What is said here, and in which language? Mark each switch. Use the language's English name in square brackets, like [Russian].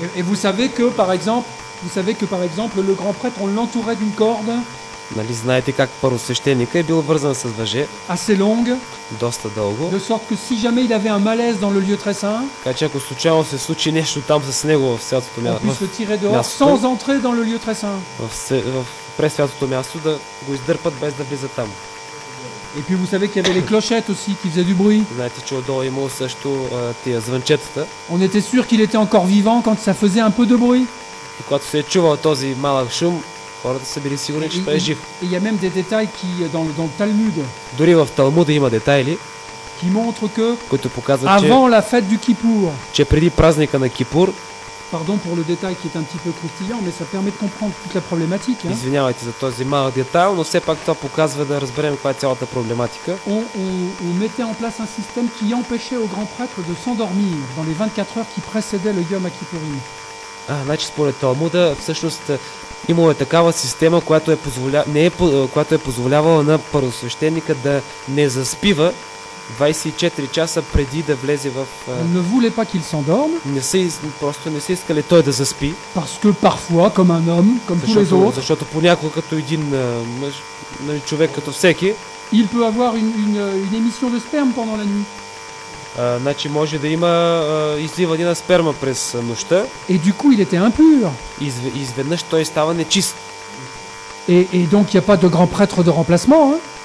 [French] Et vous savez que par exemple, le grand prêtre on l'entourait d'une corde. [Bulgarian] Нали знаете как първосвещеника е бил вързан с въже? [French] Assez longue. [Bulgarian] Доста дълго. [French] De sorte que si jamais il avait un malaise dans le lieu très saint. [Bulgarian] Значи ако случайно се случи нещо там с него в святото място. [French] On puisse le tirer dehors sans entrer dans le lieu très saint. [Bulgarian] В пресвятото място да го издърпат без да влиза там. [French] Et puis vous savez qu'il y avait les clochettes aussi qui faisaient du bruit. [Bulgarian] Знаете, че отдолу имало също тия звънчетата. [French] On était sûr qu'il était encore vivant quand ça faisait un peu de bruit. [Bulgarian] И когато се е чувал този малък шум, хората са били сигурни, че той е жив. [French] Il y a même des détails qui dans le Talmud. [Bulgarian] Дори в Талмуда има детайли. [French] qui montre que [Bulgarian] който показва, [French] avant la fête du Kippour, [Bulgarian] че преди празника на Кипур, [French] pardon pour le détail qui est un petit peu croustillant, mais ça permet de comprendre toute la problématique. [Bulgarian] Извинявайте за този малък детайл, но все пак това показва да разберем каква е цялата проблематика. [French] On mettait en place un système qui empêchait aux grands prêtres de s'endormir dans les 24 heures qui précédaient le Yom HaKippurim. [Bulgarian] Значи според Талмуда, всъщност имало е такава система, която е позволя... не е, която е позволявала на първосвещеника да не заспива 24 часа преди да влезе в... [French] Не voulait pas qu'il s'endorme. [Bulgarian] Просто не се искали той да заспи. [French] Parce que parfois, comme un homme, comme tous les autres. [Bulgarian] Защото понякога като един мъж, човек като всеки, [French] il peut avoir une émission de sperme pendant la nuit. [Bulgarian] Значи може да има изливане на сперма през нощта. [French] Et du coup, il était impur. [Bulgarian] Изведнъж той става нечист. [French] Et donc il y a pas de grand prêtre de remplacement, hein?